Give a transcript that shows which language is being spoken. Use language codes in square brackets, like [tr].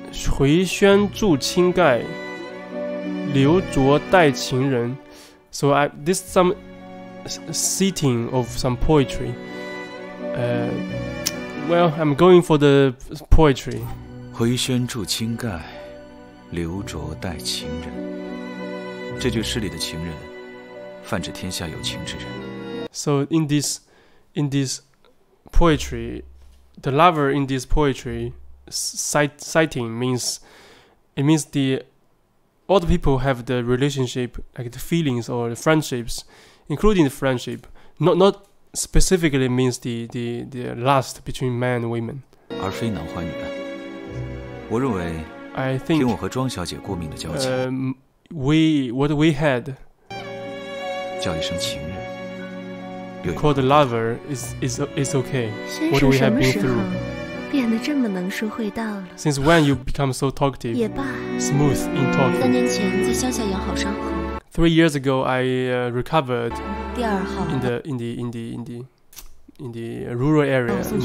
[zh] 回轩住青盖，刘卓带情人。 [en] So this is some setting of some poetry. Well, I'm going for the poetry. [zh] 回轩住青盖，刘卓带情人。这句诗里的情人，泛指天下有情之人。 [en] So in this poetry, the lover in this poetry citing means the all the people have the relationship, like the feelings or the friendships, including the friendship, not. Specifically means the lust between man and women. [zh] 而非男欢女爱。我认为 [en] I think, [zh] 凭我和庄小姐过命的交情。 [en] What we had. [zh] 叫一声情人。 [en] Called a lover is okay. What we have been through. [zh] 先生什么时候变得这么能说会道了？ [en] Since when you become so talkative? [zh] 也罢。 [en] Smooth in talking. [zh] 三年前在乡下养好伤后。 [en] 3 years ago, I recovered in the rural area.